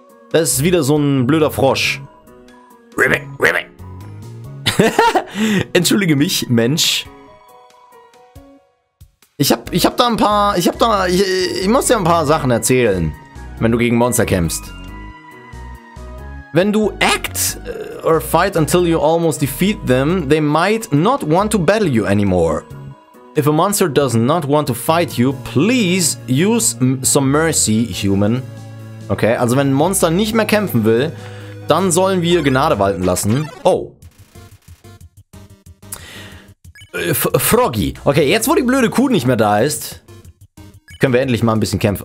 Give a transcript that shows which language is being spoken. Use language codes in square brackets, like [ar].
[de] Das ist wieder so ein blöder Frosch. Ribbit, ribbit. Entschuldige mich, Mensch. Ich muss dir ein paar Sachen erzählen, wenn du gegen Monster kämpfst. Wenn du [en] act or fight until you almost defeat them, they might not want to battle you anymore. If a monster does not want to fight you, please use some mercy, human. [de] Okay, also wenn ein Monster nicht mehr kämpfen will, dann sollen wir Gnade walten lassen. Oh. Froggy. Okay, jetzt wo die blöde Kuh nicht mehr da ist, können wir endlich mal ein bisschen kämpfen.